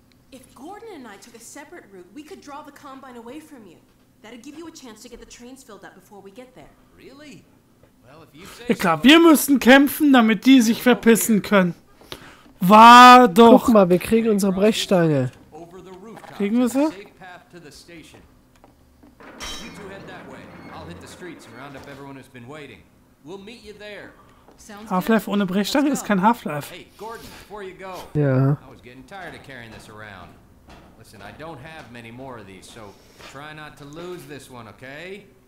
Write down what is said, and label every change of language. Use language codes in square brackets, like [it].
[en] If Gordon and I took a separate route, we could draw the Combine away from you. That'd give you a chance to get the trains filled up before we get there. Really? Well, if you say so. [de] Klar, wir müssen kämpfen, damit die sich verpissen können. War doch. Guck mal, wir kriegen unsere Brechstange. Kriegen wir sie? [en] You two head that way. I'll hit the streets and round up everyone who's been waiting. We'll meet you there. [de] Half-Life ohne Brechstange ist kein Half-Life. [en] Hey, Gordon, before you go. Ja. I was getting tired of carrying this around. Listen, I don't have many more of these, so try not to lose this one, okay?